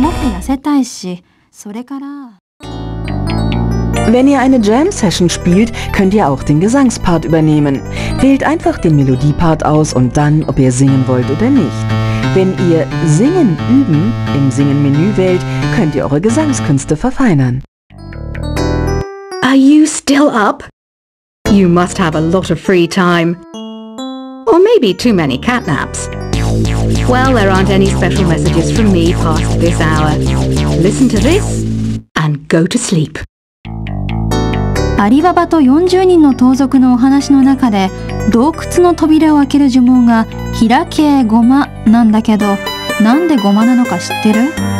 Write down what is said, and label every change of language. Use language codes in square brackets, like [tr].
[ja] アラジンの魔法のランプね。願い事を一つだけ叶えてくれるの。でも一つじゃ足りないわ。まずお金でしょ?それからリボンに。でもっと痩せたいし。それから... [de] Wenn ihr eine Jam Session spielt, könnt ihr auch den Gesangspart übernehmen. Wählt einfach den Melodiepart aus und dann, ob ihr singen wollt oder nicht. Wenn ihr Singen üben im Singen-Menü wählt, könnt ihr eure Gesangskünste verfeinern. [en] Are you still up? You must have a lot of free time. Or maybe too many catnaps. Well, there aren't any special messages from me past this hour. Listen to this and go to sleep. [ja] アリババと40人の盗賊のお話の中で洞窟の扉を開ける呪文が開けゴマなんだけど、なんでゴマなのか知ってる?